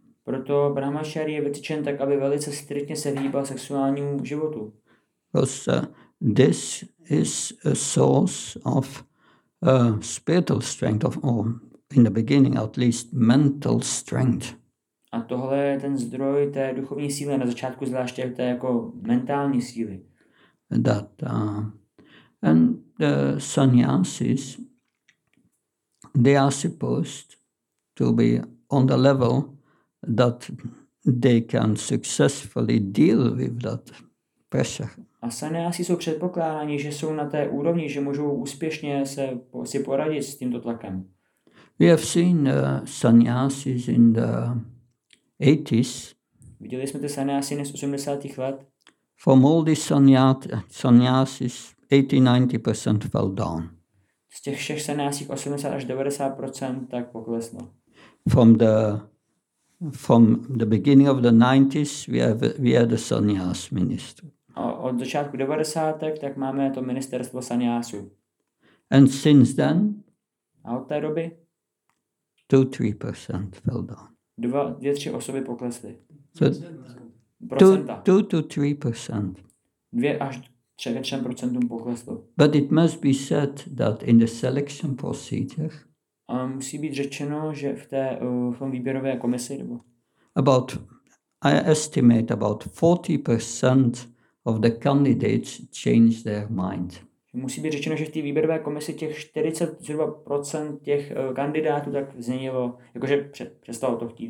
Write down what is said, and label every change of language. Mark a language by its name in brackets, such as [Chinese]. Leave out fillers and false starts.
[Czech] Proto brahmachari je vytyčen tak, aby velice striktně se vyhýbal sexuálnímu životu. [English] Because this is a source of spiritual strength, or in the beginning at least mental strength. [Czech] A tohle je ten zdroj té duchovní síly, na začátku zvláště té jako mentální síly. [English] That and the sannyasis, they are supposed to be on the level that they can successfully deal with that pressure. [Czech] A sannyasi jsou předpokládáni, že jsou na té úrovni, že můžou úspěšně si poradit s tímto tlakem. [English] We have seen sannyasis in the 80s. [Czech] Viděli jsme ty sannyasi z 80. let. [English] From all these sannyasis, 80-90% fell down. [Czech] Z těch všech sannyasích 80 až 90% tak pokleslo. [English] From the beginning of the 90s, we had the sannyas minister. [Czech] Od začátku 90. tak máme to ministerstvo sannyasů. [English] And since then? [Czech] A od té doby? [English] 2-3% fell down. [Czech] 2-3 osoby poklesly. [English] So, 2-3%. [Czech] 2-3% pokleslo. [English] But it must be said that in the selection procedure. [Czech] A musí být řečeno, že v té výběrové komisi nebo. [English] About, I estimate about 40% of the candidates change their mind. [Czech] Musí být řečeno, že v té výběrové komisi těch 40% těch kandidátů tak změnilo, jakože přestalo to chtít.